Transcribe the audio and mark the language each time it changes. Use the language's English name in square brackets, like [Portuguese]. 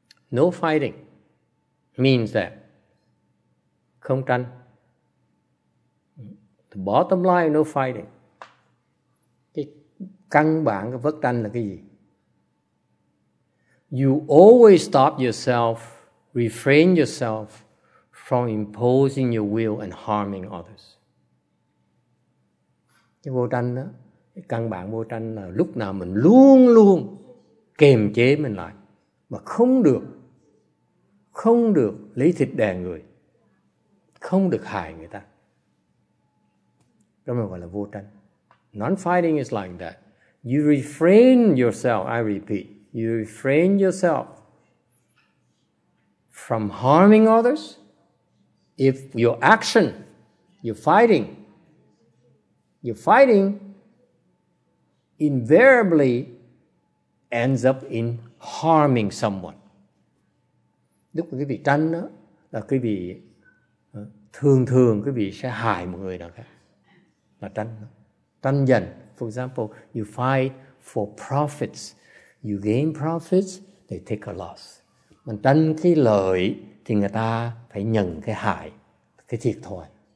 [English] No fighting means that. [Vietnamese] Không tranh. [English] The bottom line, no fighting. [Vietnamese] Cái căn bản của bất tranh là cái gì? [English] You always stop yourself, refrain yourself from imposing your will and harming others. [Vietnamese] Cái vô tranh đó, cái căn bản vô tranh là lúc nào mình luôn luôn kiềm chế mình lại mà không được lấy thịt đè người, không được hại người ta. Đó mới gọi là vô tranh. [English] Non-fighting is like that. You refrain yourself, I repeat, you refrain yourself from harming others if your action, your fighting invariably ends up in harming someone. [Vietnamese] Lúc quý vị tranh đó, là quý vị thường thường quý vị sẽ hại một người nào khác. Là tranh. Tranh giành. [English] For example, you fight for profits. You gain profits, they take a loss. [Vietnamese] Mình tranh cái lợi thì người ta phải nhận cái hại, cái thiệt thòi.